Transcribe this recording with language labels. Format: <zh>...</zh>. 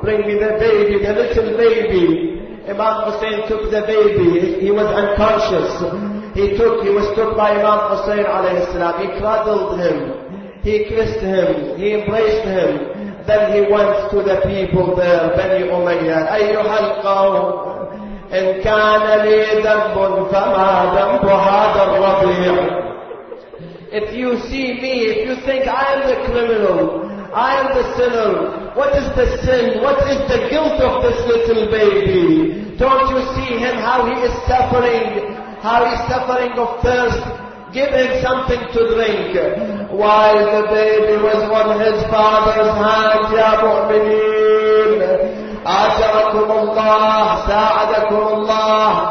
<en>Bring me the baby, the little baby. Imam Hussein took the baby. He was unconscious. He was took by Imam Hussein alayhi salam. He cradled him. He kissed him. He embraced him. Then he went to the people there, Bani Umayyah.</en> <ar>Ayyuhal qawm. إن كان لي ذنب فما ذنب هذا الربيع.</ar> <en>If you see me, if you think I am the criminal, I am the sinner, what is the sin, what is the guilt of this little baby? Don't you see him, how he is suffering, how he is suffering of thirst? Give him something to drink. While the baby was on his father's hand,</en> <ar>يا مؤمنين أجركم الله ساعدكم الله.</ar>